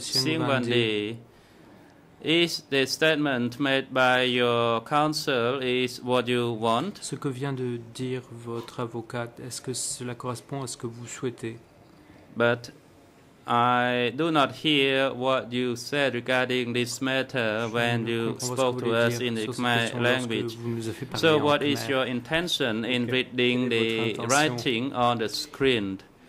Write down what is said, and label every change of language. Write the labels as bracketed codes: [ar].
[en] Seang Vandy, is the statement made by your counsel is what you want? [fr] Ce que vient de dire votre avocate, est-ce que cela correspond à ce que vous souhaitez? [en] But I do not hear what you said regarding this matter when you spoke to us in the Khmer language. So what is your intention in reading the writing on the screen?